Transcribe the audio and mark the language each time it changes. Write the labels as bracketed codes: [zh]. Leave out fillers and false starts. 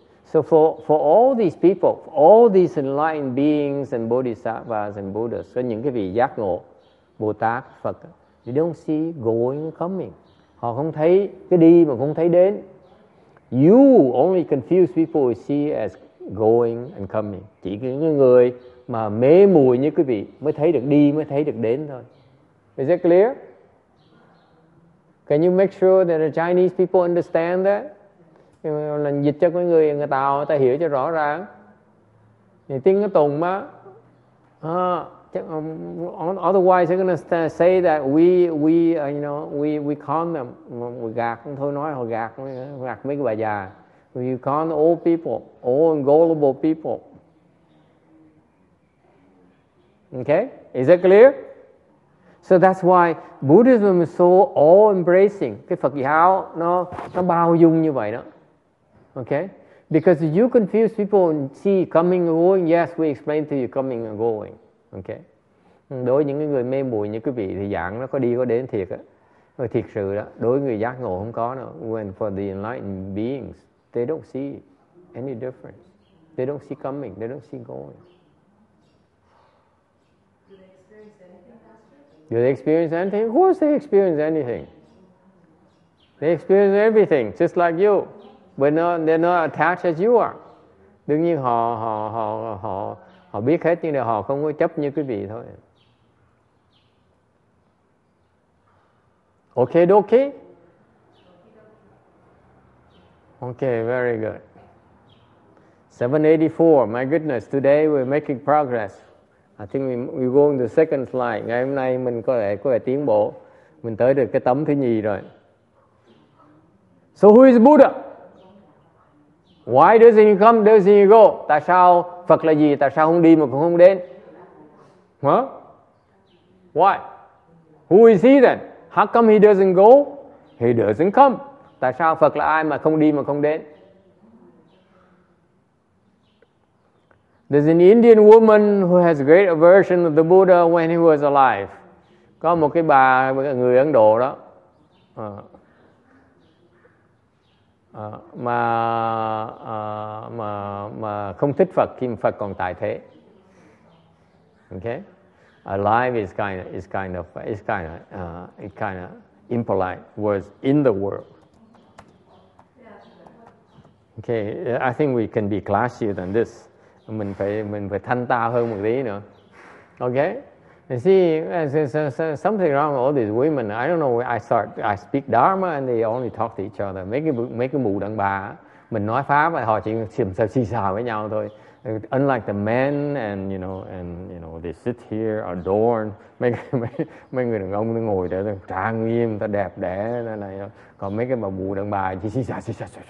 [en] So for all these people, for all these enlightened beings and bodhisattvas and buddhas, so [vi] những cái vị giác ngộ, Bồ Tát, Phật, [en] they don't see going or coming. [vi] Họ không thấy cái đi mà không thấy đến. [en] You only confuse people who see as going and coming. [vi] Chỉ những người mà mê muội như quý vị mới thấy được đi, mới thấy được đến thôi. [en] Is that clear? Can you make sure that the Chinese people understand that? [vi] Là dịch cho mấy người, người Tàu, người ta hiểu cho rõ ràng. Thì tiếng cái tùng mà. [en] Otherwise, they're going to say that we con them. [vi] We gạt, thôi nói họ gạt, gạt mấy cái bà già. [en] We con old people, old and gullible people. Okay? Is that clear? So that's why Buddhism is so all-embracing. [vi] Cái Phật giáo nó bao dung như vậy đó. [en] Okay? Because you confuse people and see coming and going, yes, we explain to you coming and going. Okay? [vi] Đối với những người mê muội như quý vị thì giảng nó có đi có đến thiệt á. Rồi thiệt sự đó, đối với người giác ngộ không có nữa. [en] When for the enlightened beings, they don't see any difference. They don't see coming, they don't see going. Do they experience anything? Of course they experience anything. They experience everything, just like you. But no, they're not attached as you are. [vi] Đương nhiên họ biết hết, nhưng mà họ không có chấp như quý vị thôi. [en] Okay, dokie? Okay, very good. 784, my goodness, today we're making progress. I think we go on the second slide. [vi] Ngày hôm nay mình có thể tiến bộ. Mình tới được cái tấm thứ nhì rồi. [en] So who is Buddha? Why does he come, does he go? [vi] Tại sao Phật là gì? Tại sao không đi mà cũng không đến? [en] Huh? Why? Who is he then? How come he doesn't go? He doesn't come. [vi] Tại sao Phật là ai mà không đi mà không đến? [en] There's an Indian woman who has great aversion of the Buddha when he was alive. [vi] Có một cái bà người Ấn Độ đó. Mà không thích Phật khi Phật còn tại thế. [en] Okay? Alive is kind of impolite words in the world. Okay, I think we can be classier than this. [vi] Mình phải thanh tao hơn một tí nữa. [en] Okay, you see, something wrong with all these women. I don't know. I speak Dharma and they only talk to each other. [vi] Mấy cái mụ đàn bà, mình nói pháp và họ chỉ xìm xào xì xào với nhau thôi. [en] Unlike the men, and they sit here adorned. [vi] Mấy người đàn ông nó ngồi để trang nghiêm, ta đẹp đẽ này. Còn mấy cái mà bù đàn bà chỉ xì xà xì xà.